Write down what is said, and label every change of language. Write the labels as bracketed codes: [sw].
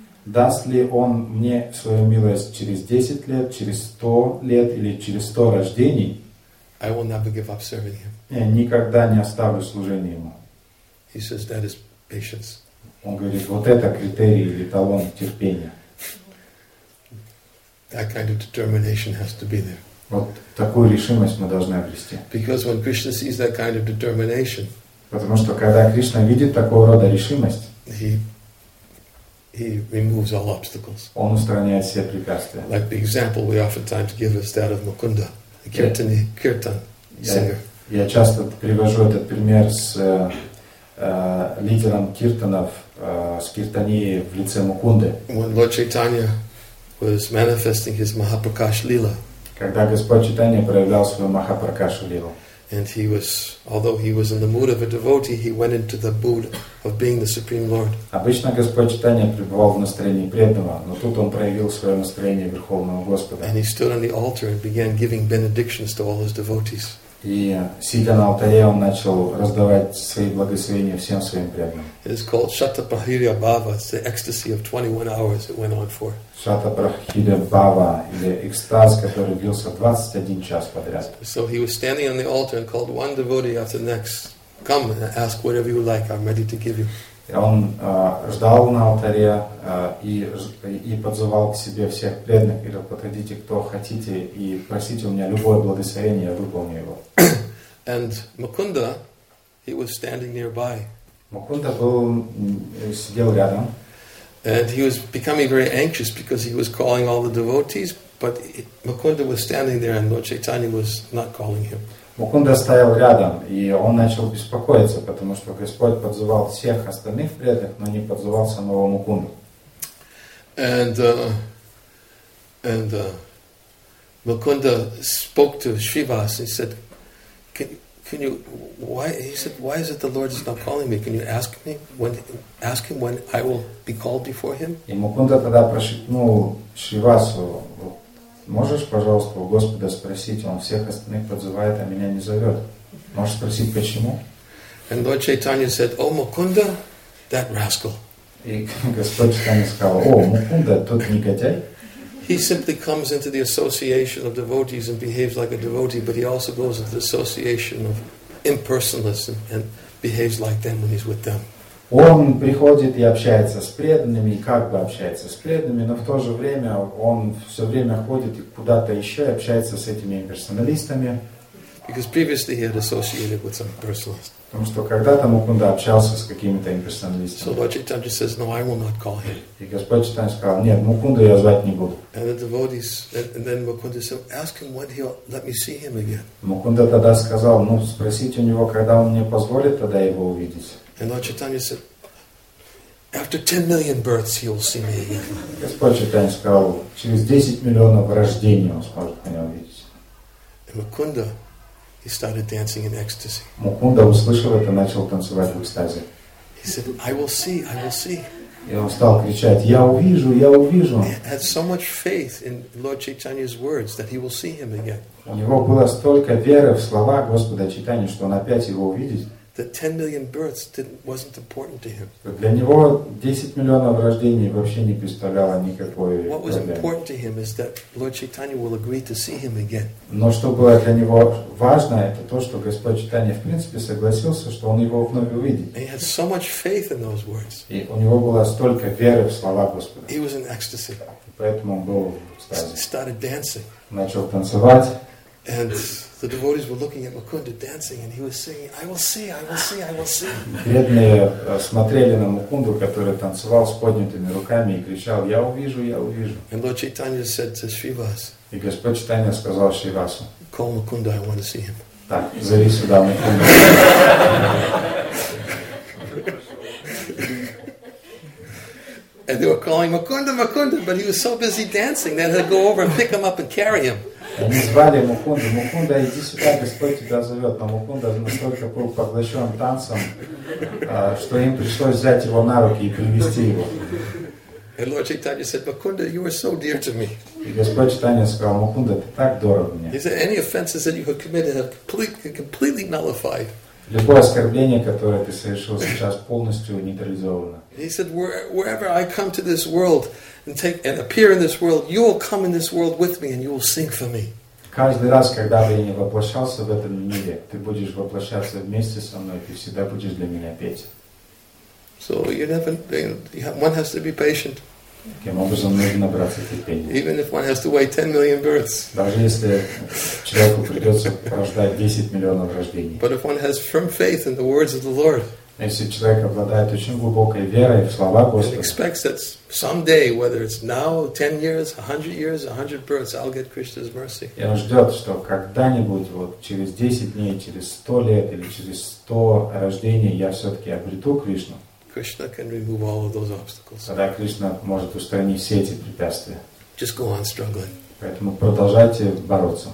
[ru] Даст ли Он мне свою милость через 10 лет, через 100 лет или через 100 рождений? [en] I will never give up serving Him. [ru] Я никогда не оставлю служение Ему. [en] He says that is patience. [ru] Он говорит, вот это критерий или талон терпения. [en] That kind of determination has to be there. [ru] Вот такую решимость мы должны обрести. [en] Because when Krishna sees that kind of determination, [ru] потому что когда Кришна видит такого рода решимость, [en] he removes all obstacles. [ru] Он устраняет все препятствия. [en] Like the example we oftentimes give is that of Mukunda, the Kirtani, Kirtan. [ru] Я часто привожу этот пример с лидером киртанов, с киртанией в лице Мукунды. [en] When Lord Chaitanya was manifesting his Mahaprakash Lila. [ru] Когда Господь Чайтанья проявлял свою Махапракаш Лилу. [en] And he was, although he was in the mood of a devotee, he went into the mood of being the Supreme Lord. [ru] Обычно Господь Чайтанья пребывал в настроении преданного, но тут он проявил свое настроение Верховного Господа. [en] And he stood on the altar and began giving benedictions to all his devotees. [ru] И сидя на алтаре, он начал раздавать свои благословения всем своим преданным. [en] It is called Shatapahirya Bhava. It's the ecstasy of 21 hours it went on for. [ru] Shatapahirya Bhava, или экстаз, который длился 21 час подряд. [en] So he was standing on the altar and called one devotee after the next, come and ask whatever you like, I'm ready to give you. [ru] И он ждал на алтаре и подзывал к себе всех преданных, говорил, подходите, кто хотите, и просите у меня любое благословение, я выполню его. [en] And Mukunda, he was standing nearby. [ru] Mukunda был, сидел рядом. [en] And he was becoming very anxious because he was calling all the devotees, but Mukunda was standing there and Lord Chaitanya was not calling him. [ru] Мукунда стоял рядом, и он начал беспокоиться, потому что Господь подзывал всех остальных преданных, но не подзывал самого Мукунду. [en] And Mukunda spoke to Srivas and said, why is it the Lord is not calling me? Can you ask him when I will be called before him? [ru] И Мукунда тогда прошепнул Шривасу, можешь, пожалуйста, у Господа спросить, он всех остальных подзывает, а меня не зовет. Можешь спросить, почему? [en] And Lord Chaitanya said, oh, Mukunda, that rascal. [ru] И Господь Чайтанья сказал, о, Мукунда, тот негодяй. [en] He simply comes into the association of devotees and behaves like a devotee, but he also goes into the association of impersonalists and behaves like them when he's with them. [ru] Он приходит и общается с преданными, и как бы общается с преданными, но в то же время он все время ходит куда-то еще и общается с этими имперсоналистами. [en] Because previously he had associated with some impersonalists. [ru] Потому что когда-то Мукунда общался с какими-то имперсоналистами. [en] So Lord Chaitanya says, no, I will not call him. [ru] И Господь Чайтанья сказал, нет, Мукунду я звать не буду. [en] And the devotees, and then Mukunda said, ask him when he'll let me see him again. [ru] Мукунда тогда сказал, ну спросите у него, когда он мне позволит тогда его увидеть. [en] And Lord Chaitanya said, after 10 million births, he'll see me again. [ru] Господь Чайтанья сказал, через 10 миллионов рождений он сможет меня увидеть. [en] And Mukunda, he started dancing in ecstasy. [ru] Мукунда услышал это, начал танцевать в экстазе. [en] He said, I will see, I will see. [ru] И он стал кричать, я увижу, я увижу. [en] He had so much faith in Lord Chaitanya's words that he will see him again. [ru] У него было столько веры в слова Господа Чайтаньи, что он опять его увидит. [en] That 10 million births wasn't important to him. [ru] Для него 10 миллионов рождений вообще не представляло никакой проблемы. [en] What was important to him is that Lord Chaitanya will agree to see him again. [ru] Но что было для него важно, это то, что Господь Чайтанья в принципе согласился, что он его вновь увидит. [en] He had so much faith in those words. [ru] И у него было столько веры в слова Господа. [en] He was in ecstasy. [ru] Поэтому он был в экстазе. [en] Started dancing. [ru] Начал танцевать. [en] And the devotees were looking at Mukunda dancing, and he was singing, "I will see, I will see, I will see." [ru] Преданные смотрели на Мукунду, который танцевал с поднятыми руками и кричал, "Я увижу, я увижу." [en] And Lord Chaitanya said to Srivas. [ru] И Господь Чайтанья сказал Шривасу. [en] Call Mukunda, I want to see him. [ru] Так, зови сюда Мукунду. [en] And they were calling Mukunda, Mukunda, but he was so busy dancing that they had to go over and pick him up and carry him. [ru] Они звали Мукунду, Мукунда, иди сюда, Господь тебя зовет. Но Мукунда настолько был поглощен танцем, что им пришлось взять его на руки и привести его. [en] And Lord Chaitanya said, Mukunda, you are so dear to me. [ru] И Господь Чайтанья сказал, Мукунда, ты так дорог мне. [en] He said, any offenses that you have committed have completely nullified. [ru] Любое оскорбление, которое ты совершил сейчас, полностью нейтрализовано. [en] He said, wherever I come to this world and take and appear in this world, you will come in this world with me and you will sing for me. [ru] Каждый раз, когда бы я не воплощался в этом мире, ты будешь воплощаться вместе со мной, ты всегда будешь для меня петь. [en] So you never, one has to be patient. [ru] Таким образом, нужно набраться терпения. [en] Even if one has to wait 10 million births. [ru] Даже если человеку придется прождать 10 миллионов рождений. [en] But if one has firm faith in the words of the Lord. [ru] Если человек обладает очень глубокой верой в слова Господа, [en] expects that someday, whether it's now, 10 years, 100 years, 100 births, I'll get Krishna's mercy. [ru] И он ждет, что когда-нибудь, вот через 10 дней, через 100 лет или через 100 рождений, я все-таки обрету Кришну. [en] Krishna can remove all of those obstacles. [ru] Тогда Кришна может устранить все эти препятствия. [en] Just go on struggling. [ru] Поэтому продолжайте бороться.